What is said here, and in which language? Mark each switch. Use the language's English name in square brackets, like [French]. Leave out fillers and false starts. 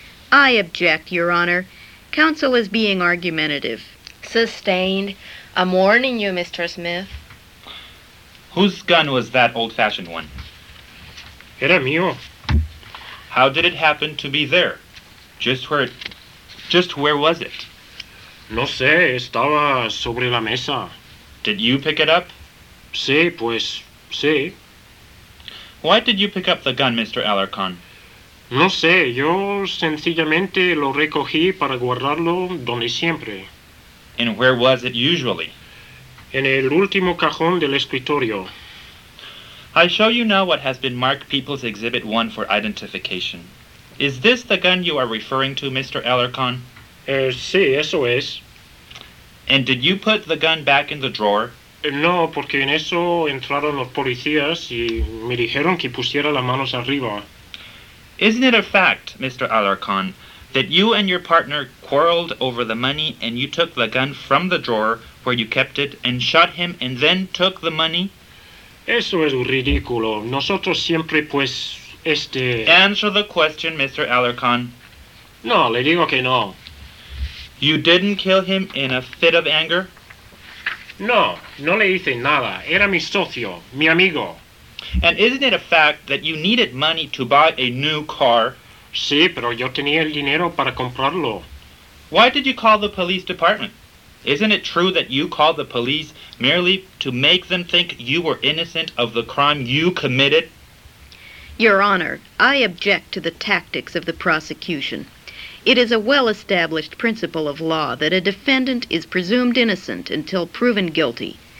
[English] I object, Your Honor. Counsel is being argumentative. Sustained. I'm warning you, Mr. Smith. Whose gun was that old-fashioned one? [Spanish] Era mío. [English] How did it happen to be there? Just where was it? [Spanish] No sé, estaba sobre la mesa. [English] Did you pick it up? [Spanish] Sí, pues, sí. [English] Why did you pick up the gun, Mr. Alarcon? [Spanish] No sé, yo sencillamente lo recogí para guardarlo donde siempre. [English] And where was it usually? [Spanish] En el último cajón del escritorio. [English] I show you now what has been marked People's Exhibit 1 for identification. Is this the gun you are referring to, Mr. Alarcon? [Spanish] Sí, eso es. [English] And did you put the gun back in the drawer? [Spanish] No, porque en eso entraron los policías y me dijeron que pusiera las manos arriba. [English] Isn't it a fact, Mr. Alarcon, that you and your partner quarreled over the money and you took the gun from the drawer where you kept it and shot him and then took the money? [Spanish] Eso es ridículo. Nosotros siempre, pues, este... [English] Answer the question, Mr. Alarcon. [Spanish] No, le digo que no. [English] You didn't kill him in a fit of anger? [Spanish] No, no le hice nada. Era mi socio, mi amigo. [English] And isn't it a fact that you needed money to buy a new car? [Spanish] Sí, pero yo tenía el dinero para comprarlo. [English] Why did you call the police department? Isn't it true that you called the police merely to make them think you were innocent of the crime you committed? Your Honor, I object to the tactics of the prosecution. It is a well-established principle of law that a defendant is presumed innocent until proven guilty.